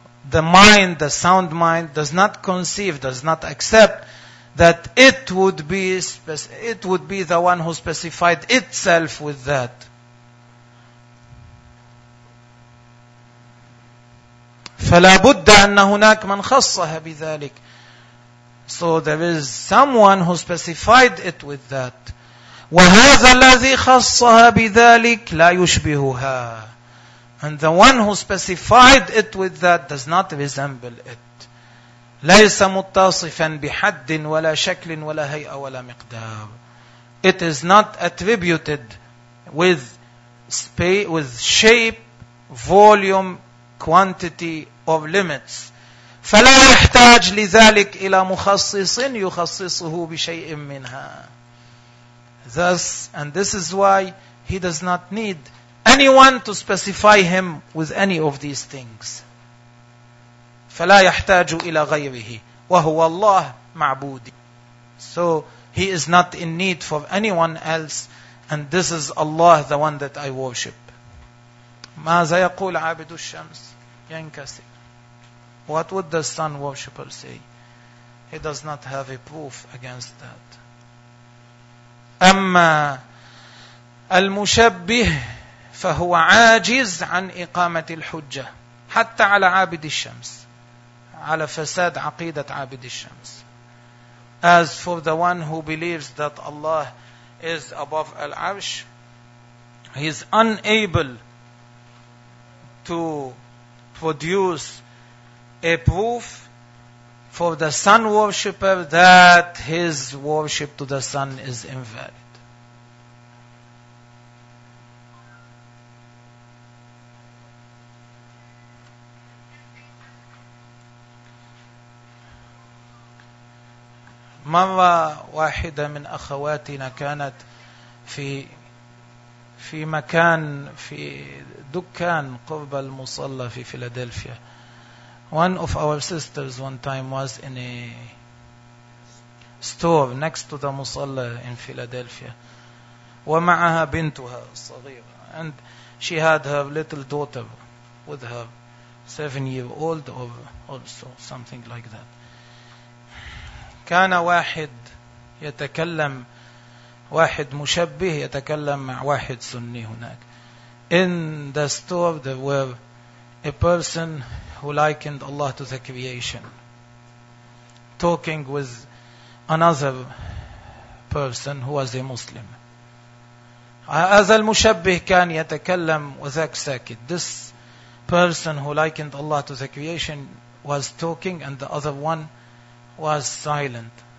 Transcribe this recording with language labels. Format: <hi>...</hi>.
<en>The mind, the sound mind, does not conceive, does not accept that it would be the one who specified itself with that.</en> <ar>فلا بد أن هناك من خصها بذلك.</ar> <en>So there is someone who specified it with that.</en> <ar>وهذا الذي خصها بذلك لا يشبهها.</ar> <en>And the one who specified it with that does not resemble it.</en> <ar>ليس متصفا بحد ولا شكل ولا هيئة ولا مقدار.</ar> <en>It is not attributed with space, with shape, volume, quantity or limits.</en> <ar>فلا يحتاج لذلك إلى مخصص يخصصه بشيء منها.</ar> <en>Thus, and this is why he does not need anyone to specify him with any of these things.</en> <ar>فلا يحتاج إلى غيره وهو الله معبودي.</ar> <en>So, he is not in need for anyone else, and this is Allah, the one that I worship.</en> <ar>ماذا يقول عابد الشمس ينكسر.</ar> <en>What would the sun worshipper say? He does not have a proof against that.</en> <ar>أما المشبه فهو عاجز عن إقامة الحجة حتى على عابد الشمس, على فساد عقيدة عابد الشمس.</ar> <en>As for the one who believes that Allah is above Al-Arsh, he is unable to produce a proof for the sun worshipper that his worship to the sun is invalid.</en> <ar>مرة واحدة من أخواتنا كانت في مكان, في دكان قرب المصلى في فيلادلفيا.</ar> <en>One of our sisters one time was in a store next to the Musalla in Philadelphia.</en> <ar>ومعها بنتها الصغيرة.</ar> <en>And she had her little daughter with her, 7-year-old or also something like that.</en> <ar>كان واحد يتكلم, واحد مشبه يتكلم مع واحد سني هناك.</ar> <en>In the store there were a person who likened Allah to the creation, talking with another person who was a Muslim.</en> <ar>هذا المشبه كان يتكلم وذاك ساكت.</ar> <en>This person who likened Allah to the creation was talking and the other one was silent.</en>